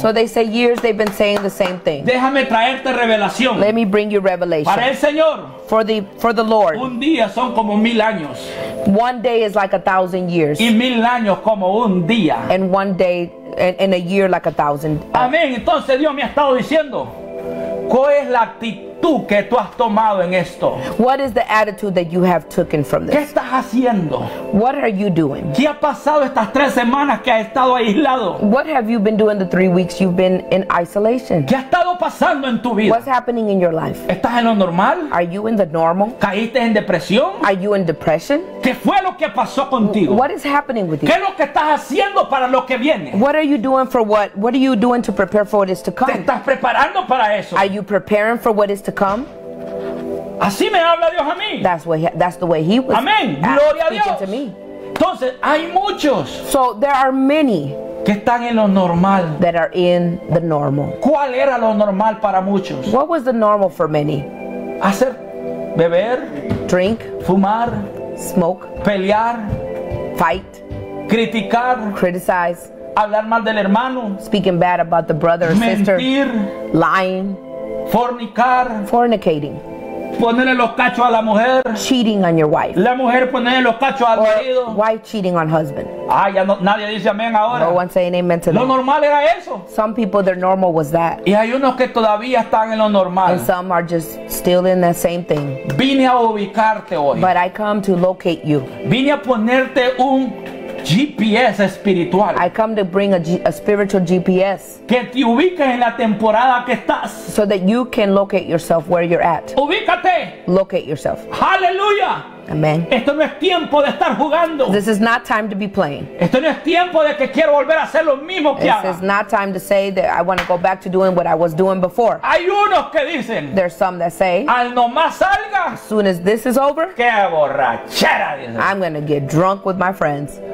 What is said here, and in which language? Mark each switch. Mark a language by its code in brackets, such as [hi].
[en] So they say years they've been saying the same thing. [es] Déjame traerte revelación. [en] Let me bring you revelation. [es] Para el Señor. [en] For the Lord. [es] Un día son como mil años. [en] One day is like a thousand years. [es] Y mil años como un día. [en] And one day in a year like a thousand. Amén. [es] Entonces Dios me ha estado diciendo, ¿cuál es la actitud? Que tú has tomado en esto. [en] What is the attitude that you have taken from this? [es] ¿Qué estás haciendo? [en] What are you doing? [es] ¿Qué ha pasado estas tres semanas que has estado aislado? [en] What have you been doing the 3 weeks you've been in isolation? [es] ¿Qué ha estado pasando en tu vida? [en] What's happening in your life? [es] ¿Estás en lo normal? [en] Are you in the normal? [es] ¿Caíste en depresión? [en] Are you in depression? [es] ¿Qué fue lo que pasó contigo? [en] What is happening with you? [es] ¿Qué es lo que estás haciendo para lo que viene? [en] What are you doing for what? What are you doing to prepare for what is to come? [es] ¿Te estás preparando para eso? [en] Are you preparing for what is to come? [es] Así me habla Dios a mí. [en] That's what he, that's the way he was. [es] Amén. Gloria a Dios. [en] Speaking to me. [es] Entonces, hay muchos. [en] So there are many. [es] Que están en lo normal. [en] That are in the normal. [es] ¿Cuál era lo normal para muchos? [en] What was the normal for many? [es] Hacer, beber, [en] drink, [es] fumar, [en] smoke, [es] pelear, [en] fight, [es] criticar, [en] criticize, [es] hablar mal del hermano, [en] speaking bad about the brother or [es] mentir, [en] sister, [es] mentir, [en] lying, [es] fornicar, [en] fornicating, [es] ponerle los cachos a la mujer, [en] cheating on your wife, [es] la mujer ponerle los cachos al marido, [en] wife cheating on husband. [es] Ah, ya no, nadie dice amén ahora. [en] No one saying amen to [es] lo [en] that. [es] Normal era eso. [en] Some people their normal was that. [es] Y hay unos que todavía están en lo normal. [en] And some are just still in the same thing. [es] Vine a ubicarte hoy. [en] But I come to locate you. [es] Vine a ponerte un GPS espiritual. [en] I come to bring a spiritual GPS. [es] Que te ubiques en la temporada que estás. [en] So that you can locate yourself where you're at. [es] Ubícate. [en] Locate yourself. Hallelujah. Amen. [es] Esto no es tiempo de estar jugando. [en] This is not time to be playing. [es] Esto no es tiempo de que quiero volver a hacer lo mismo que [en] haga. This is not time to say that I want to go back to doing what I was doing before. [es] Hay unos que dicen. [en] There's some that say. [es] Al no más salga. [en] As soon as this is over. [es] Qué borrachera, dicen. [en] I'm going to get drunk with my friends.